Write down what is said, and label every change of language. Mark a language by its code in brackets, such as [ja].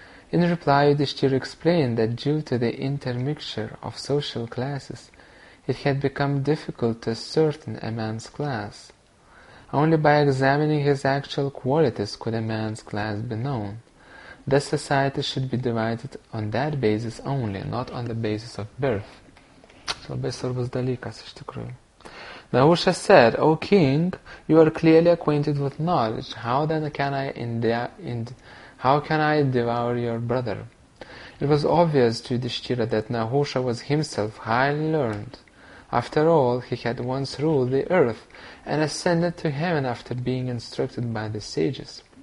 [en] In reply, Yudhishthira explained that due to the intermixture of social classes, it had become difficult to ascertain a man's class. Only by examining his actual qualities could a man's class be known. This society should be divided on that basis only, not on the basis of birth. [lt] Labai svarbus dalykas, iš tikrųjų. [en] Nahusha said, O king, you are clearly acquainted with knowledge. How then can I devour your brother? It was obvious to Yudhishthira that Nahusha was himself highly learned. After all, he had once ruled the earth and ascended to heaven after being instructed by the sages.